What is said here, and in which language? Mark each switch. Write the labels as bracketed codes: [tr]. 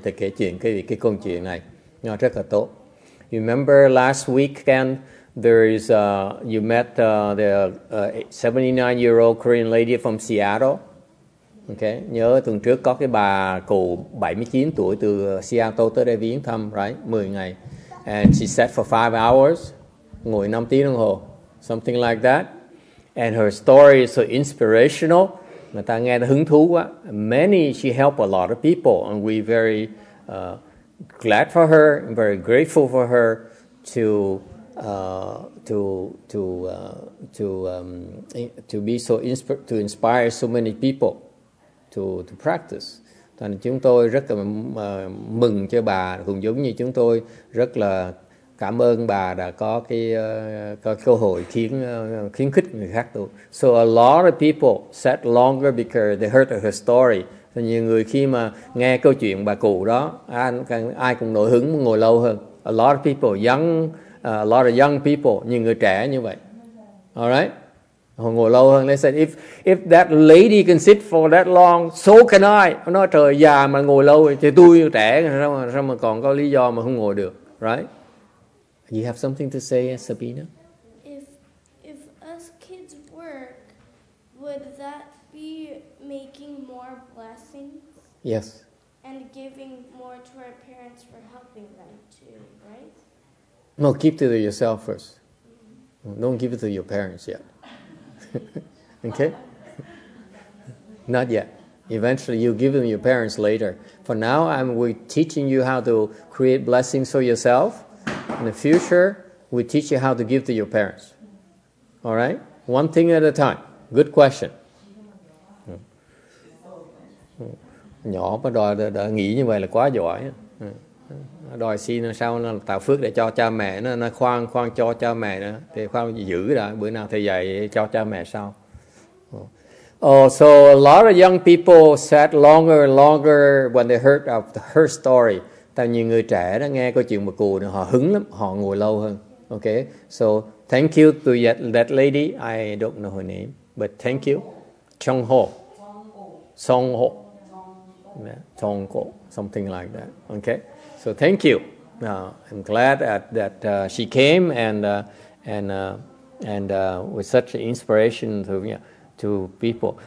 [vi] Thì kể chuyện cái câu chuyện này nó rất là tốt. [en] Remember last weekend? There is you met the 79-year-old Korean lady from Seattle. [vi] Okay, nhớ tuần trước có cái bà cụ 79 tuổi từ Seattle tới đây viếng thăm, right? 10 ngày. [en] And she sat for 5 hours, [vi] ngồi 5 tiếng đồng hồ, [en] something like that. And her story is so inspirational. [vi] Người ta nghe nó hứng thú quá. [en] Many, she helped a lot of people and we very glad for her, very grateful for her to inspire so many people to practice. [vi] Thành chúng tôi rất là mừng cho bà, cũng giống như chúng tôi rất là cảm ơn bà đã có cái có cơ hội khuyến khích người khác tu. [en] So a lot of people sat longer because they heard her story. [vi] Thì nhiều người khi mà nghe câu chuyện bà cụ đó, ai cũng nổi hứng ngồi lâu hơn. [en] A lot of people young. A lot of young people, [vi] nhiều người trẻ như vậy. [en] All right? [vi] Họ ngồi lâu hơn. [en] They said, if that lady can sit for that long, so can I. [vi] Họ nói, trời già mà ngồi lâu thì tôi trẻ, sao mà còn có lý do mà không ngồi được. [en] Right? You have something to say, Sabina? If us kids work, would that be making more blessings? Yes. And giving more to our parents for helping them too, right? No, keep it to yourself first. Don't give it to your parents yet. Okay? Not yet. Eventually, you give them to your parents later. For now, we're teaching you how to create blessings for yourself. In the future, we teach you how to give to your parents. All right? One thing at a time. Good question. [vi] Nhỏ mà đòi đã nghĩ như vậy là quá giỏi. Đòi xin là sao nó tạo phước để cho cha mẹ nó khoan cho cha mẹ nữa thì khoan giữ đã bữa nào thầy dạy cho cha mẹ sao. [en] So a lot of young people sat longer and longer when they heard of her story. [vi] Tại nhiều người trẻ đã nghe câu chuyện bà cụ nữa, họ hứng lắm, họ ngồi lâu hơn. [en] Okay, so thank you to that lady. I don't know her name, but thank you. Chong Ho. Song Ho. Chong Ho, something like that. Okay. So thank you. I'm glad that she came and was such an inspiration to people.